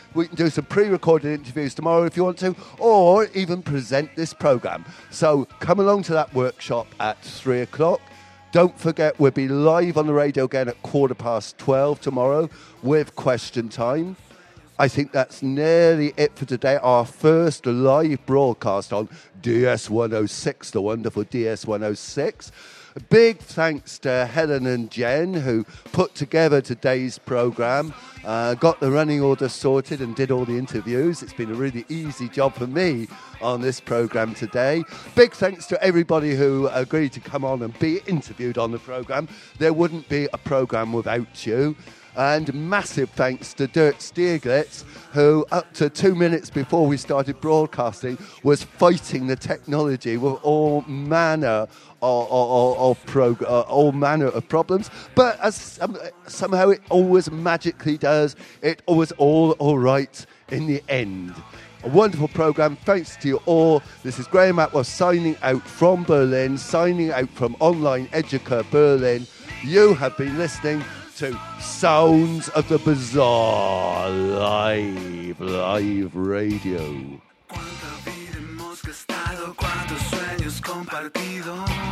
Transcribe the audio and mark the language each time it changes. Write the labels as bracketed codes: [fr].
[en] We can do some pre-recorded interviews tomorrow if you want to, or even present this programme. So come along to that workshop at 3:00. Don't forget, we'll be live on the radio again at 12:15 tomorrow with Question Time. I think that's nearly it for today. Our first live broadcast on DS106, the wonderful DS106. Big thanks to Helen and Jen, who put together today's programme, got the running order sorted and did all the interviews. It's been a really easy job for me on this programme today. Big thanks to everybody who agreed to come on and be interviewed on the programme. There wouldn't be a programme without you. And massive thanks to Dirk Stieglitz, who up to 2 minutes before we started broadcasting was fighting the technology with all manner of problems. But as somehow it always magically does, it was all right in the end. A wonderful programme. Thanks to you all. This is Graham Atwell signing out from Berlin, signing out from Online Educa Berlin. You have been listening to Sounds of the Bizarre live radio. [es] Cuánta vida hemos gastado, cuántos sueños compartidos.